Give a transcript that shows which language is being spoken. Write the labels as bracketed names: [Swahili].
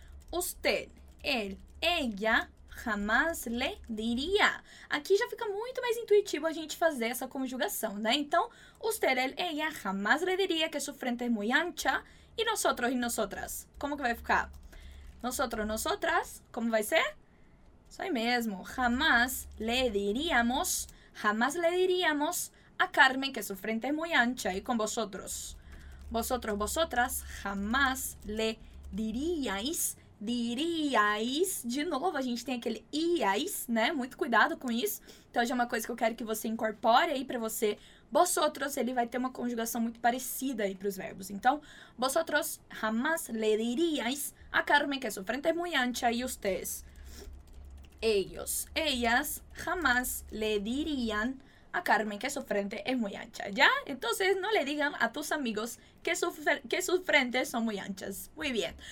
[Spanish] Usted, él, ella jamás le diría. [Portuguese] Aqui já fica muito mais intuitivo a gente fazer essa conjugação, né? [Spanish] Então, usted, él, ella jamás le diría que su frente es muy ancha. [Portuguese] E [Spanish] nosotros y nosotras? [Portuguese] Como que vai ficar? [Spanish] Nosotros, nosotras? [Portuguese] Como vai ser? Isso aí mesmo. [Spanish] Jamás le diríamos. Jamás le diríamos. A Carmen, que su frente es muy ancha, y con vosotros. Vosotros, vosotras, jamás le diríais, diríais. [Portuguese] De novo, a gente tem aquele iais, né? Muito cuidado com isso. Então, já é uma coisa que eu quero que você incorpore aí para você. Vosotros, ele vai ter uma conjugação muito parecida aí para os verbos. [Spanish] Então, vosotros, jamás le diríais a Carmen, que su frente es muy ancha, y ustedes. Ellos, ellas, jamás le dirían a Carmen, que su frente es muy ancha, ¿ya? Entonces, no le digan a tus amigos que sus frentes son muy anchas. Muy bien.